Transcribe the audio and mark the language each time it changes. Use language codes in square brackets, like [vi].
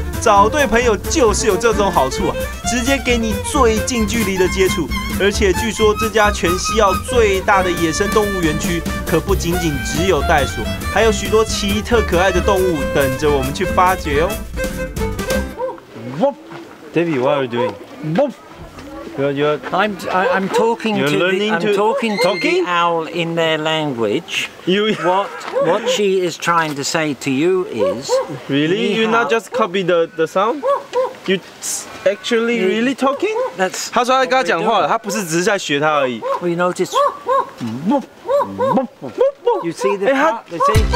[zh] 找对朋友就是有这种好处啊！直接给你最近距离的接触，而且据说这家全西澳最大的野生动物园区，可不仅仅只有袋鼠，还有许多奇特可爱的动物等着我们去发掘哦。 [en] Woof, David, what are you doing? Woof. I'm talking to the owl in their language. What she is trying to say to you is, really, you not just copy the sound, you actually really talking. That's [zh] 他说他跟他讲话了，他不是只是在学他而已。 [en] Well, you notice, you see the part, they say,